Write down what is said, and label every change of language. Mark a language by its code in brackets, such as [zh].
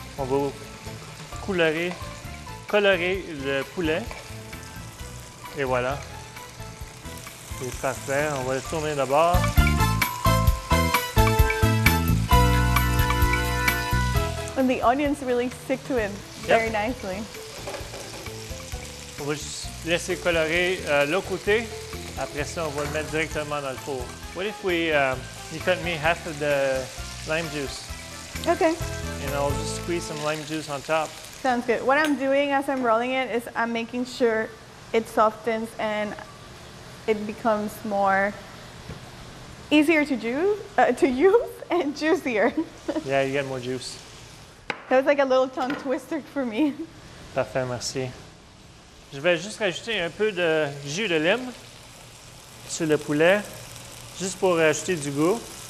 [fr] On va colorer le poulet. Et voilà. C'est parfait. On va le tourner d'abord. [en] And the onions really stick to it very nicely. [fr] On va juste laisser colorer l'autre côté. Après ça, on va le mettre directement dans le four. [en] What if we, you cut me half of the lime juice? Okay. And I'll just squeeze some lime juice on top. Sounds good. What I'm doing as I'm rolling it is I'm making sure it softens and it becomes more easier to use and juicier. Yeah, you get more juice. That was like a little tongue twister for me. [fr] Parfait, merci. Je vais juste rajouter un peu de jus de lime sur le poulet, juste pour rajouter du goût.